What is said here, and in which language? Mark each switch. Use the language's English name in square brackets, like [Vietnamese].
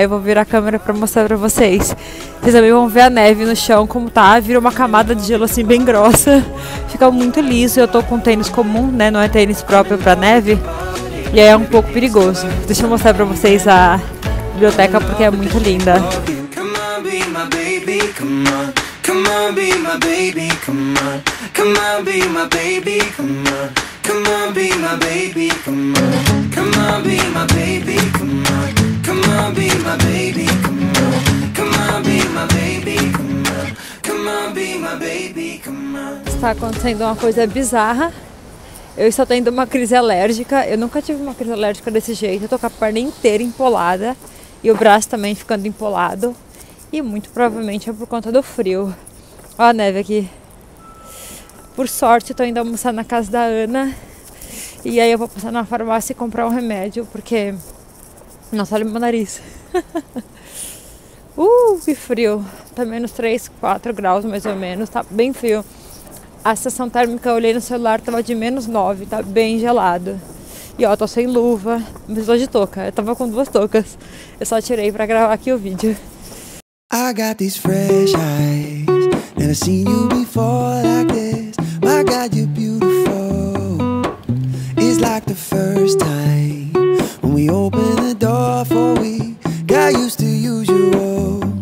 [Portuguese] Eu vou virar a câmera pra mostrar pra vocês. Vocês também vão ver a neve no chão como tá. Vira uma camada de gelo assim bem grossa. Fica muito liso. Eu tô com tênis comum, né? Não é tênis próprio pra neve. E aí é um pouco perigoso. Deixa eu mostrar pra vocês a biblioteca porque é muito linda. [English] Come on, be my baby, come on. Come on, be my baby, come on. Come on, be my baby, come on. Come on, be my baby, come on. Come on, be my baby, come on. [Portuguese] Está acontecendo uma coisa bizarra. Eu estou tendo uma crise alérgica. Eu nunca tive uma crise alérgica desse jeito. Eu estou com a perna inteira empolada. E o braço também ficando empolado. E muito provavelmente é por conta do frio. Olha a neve aqui. Por sorte, tô indo almoçar na casa da Ana. E aí eu vou passar na farmácia e comprar um remédio, porque... Nossa, olha o meu nariz. Que frio. Tá menos 3, 4 graus, mais ou menos. Tá bem frio. A sensação térmica, eu olhei no celular, tava de menos 9. Tá bem gelado. E ó, tô sem luva. Mas tô de touca. Eu tava com duas toucas. Eu só tirei pra gravar aqui o vídeo. [English] I got these fresh eyes. Never seen you before like this. My God, you're beautiful. It's like the first time when we open the door for we got used to usual.